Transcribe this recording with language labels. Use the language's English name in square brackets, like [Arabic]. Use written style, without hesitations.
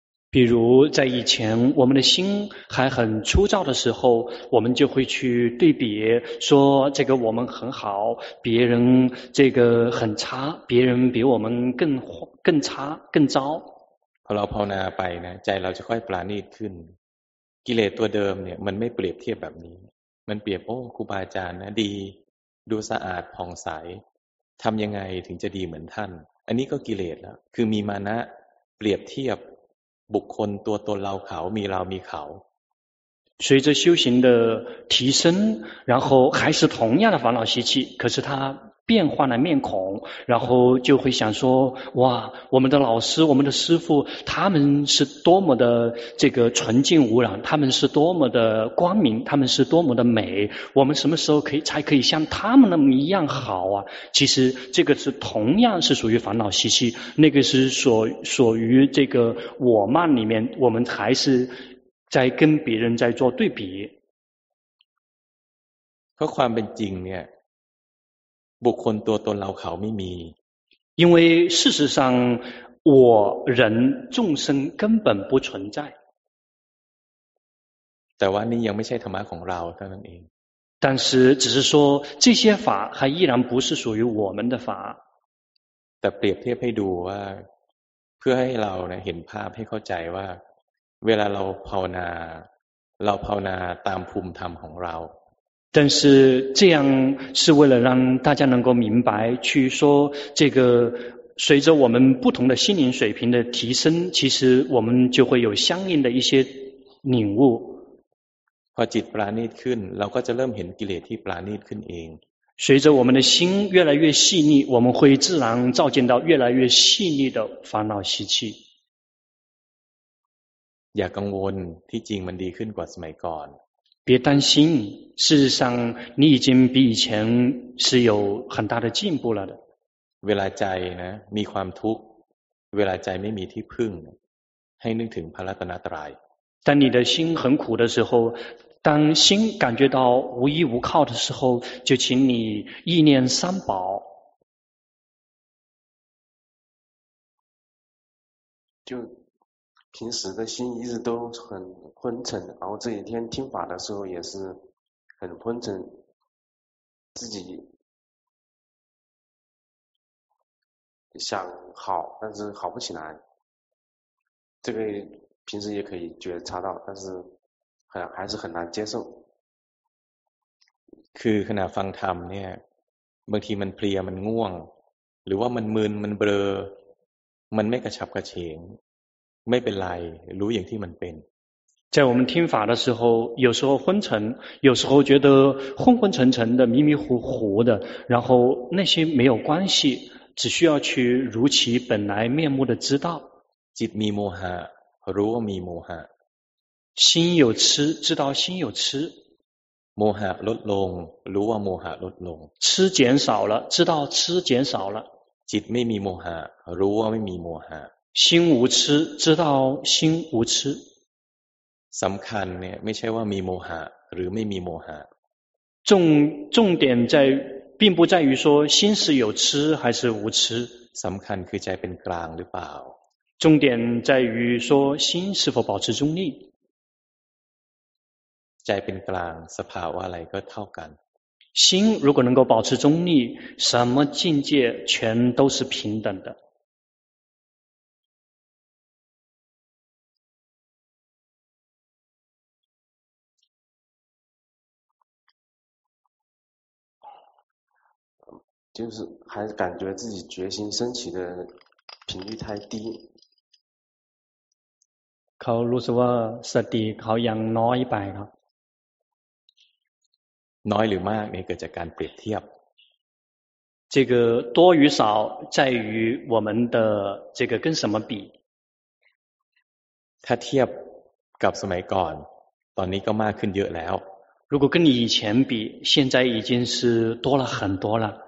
[Chinese] 比如在以前我们的心还很粗糙的时候我们就会去对比说这个我们很好别人这个很差别人比我们更差更糟 [Thai] พอเราภาวนาไปนะใจเราจะค่อยปราณีตขึ้นกิเลสตัวเดิมเนี่ยมันไม่เปรียบเทียบแบบนี้มันเปรียบโอ้ครูบาอาจารย์นะดีดูสะอาดผ่องใสทำยังไงถึงจะดีเหมือนท่านอันนี้ก็กิเลสแล้วคือมีมานะเปรียบเทียบบุคคลตัวตนเราเขามีเรามีเขา [Chinese] 随着修行的提升然后还是同样的烦恼习气可是他变换了面孔然后就会想说哇我们的老师我们的师父他们是多么的这个纯净无染他们是多么的光明他们是多么的美我们什么时候才可以像他们那么一样好啊其实这个是同样是属于烦恼习气那个是属于这个我慢里面我们还是在跟别人在做对比和宽本经呢 [Thai] บุคคลตัวตนเราเขาไม่มี [Chinese] 因为事实上我人众生根本不存在 [Thai] แต่ว่านี่ยังไม่ใช่ธรรมะของเราเท่านั้นเอง [Chinese] 但是只是说这些法还依然不是属于我们的法 [Thai] แต่เปรียบเทียบให้ดูว่าเพื่อให้เราเนี่ยเห็นภาพให้เข้าใจว่าเวลาเราภาวนาเราภาวนาตามภูมิธรรมของเรา [Chinese] แต่是这样是为了让大家能够明白去说这个随着我们不同的心灵水平的提升，其实我们就会有相应的一些领悟。 [Thai] พอจิตปราณีตขึ้นเราก็จะเริ่มเห็นกิเลสที่ปราณีตขึ้นเอง。 [Chinese] 随着我们的心越来越细腻，我们会自然照见到越来越细腻的烦恼习气。 [Thai] อย่ากังวลที่จริงมันดีขึ้นกว่าสมัยก่อน。 [Chinese] 别担心，事实上你已经比以前是有很大的进步了的。 [Thai] เวลาใจนะมีความทุกข์เวลาใจไม่มีที่พึ่งให้นึกถึงพระรัตนตรัย [Chinese] 当你的心很苦的时候，当心感觉到无依无靠的时候，就请你意念三宝。就平时的心一直都很昏沉，然后这几天听法的时候也是很昏沉，自己想好，但是好不起来。这个平时也可以觉察到，但是还是很难接受。 [Thai] คือขณะฟังธรรมเนี่ยบางทีมันเพลียมันง่วงหรือว่ามันมึนมันเบลอมันไม่กระฉับกระเฉงไม่เป็นไรรู้อย่างที่มันเป็น [Chinese] 在我们听法的时候，有时候昏沉，有时候觉得昏昏沉沉的、迷迷糊糊的，然后那些没有关系。只需要去如其本来面目的知道。 [Thai] จิตมีโมหะ รู้ว่ามีโมหะ [Chinese] 心有痴知道心有痴 [Thai] โมหะลดลง รู้ว่าโมหะลดลง [Chinese] 痴减少了知道痴减少了 [Thai] จิตไม่มีโมหะ รู้ว่าไม่มีโมหะ [Chinese] 心无痴知道心无痴 [Thai] สำคัญเนี่ยไม่ใช่ว่ามีโมหะ หรือไม่มีโมหะ [Chinese] 重点在并不在于说心是有痴还是无痴， [Thai] สำคัญคือใจเป็นกลางหรือเปล่า [Chinese] 重点在于说心是否保持中立， [Thai] ใจเป็นกลางสภาวะอะไรก็เท่ากัน [Chinese] 心如果能够保持中立，什么境界全都是平等的。就是还是感觉自己决心升起的频率太低。 [Thai] เขารู้สึกว่าสติเขายังน้อยไปครับ。 น้อยหรือมากนี่เกิดจากการเปรียบเทียบ。 [Chinese] 这个多与少在于我们的这个跟什么比。 [Thai] ถ้าเทียบกับสมัยก่อนตอนนี้ก็มากขึ้นเยอะแล้ว。 [Chinese] 如果跟你以前比，现在已经是多了很多了。